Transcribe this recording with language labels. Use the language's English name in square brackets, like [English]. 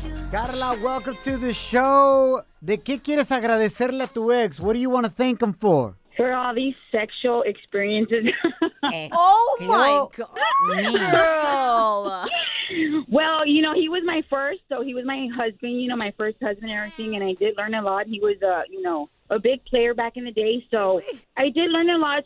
[English] Carla, welcome to the show. [Spanish] ¿De qué quieres agradecerle a tu ex? [English] What do you want to thank him for? For all these sexual experiences. Oh, my God. Well, you know, he was my first, so he was my husband, you know, my first husband and everything, and I did learn a lot. He was, you know, a big player back in the day, so I did learn a lot.